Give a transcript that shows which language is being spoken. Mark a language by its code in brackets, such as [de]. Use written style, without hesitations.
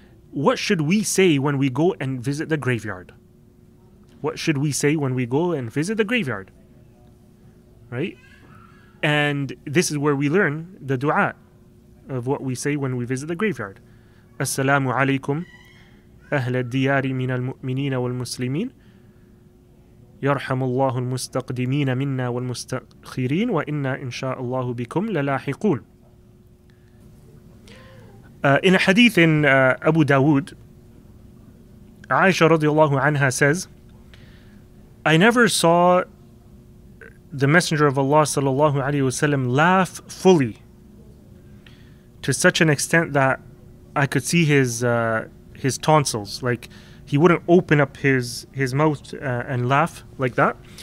[en] What should we say when we go and visit the graveyard? What should we say when we go and visit the graveyard? Right? And this is where we learn the dua of what we say when we visit the graveyard. [ar] As-salamu alaykum. أهل الديار من المؤمنين والمسلمين يرحم الله المستقدمين منا والمستأخرين وإنا إن شاء الله بكم للاحقون. [en] In a hadith in Abu Dawood, Aisha radiallahu anha says, I never saw the Messenger of Allah sallallahu alayhi wasallam laugh fully to such an extent that I could see his tonsils, like he wouldn't open up his mouth and laugh like that.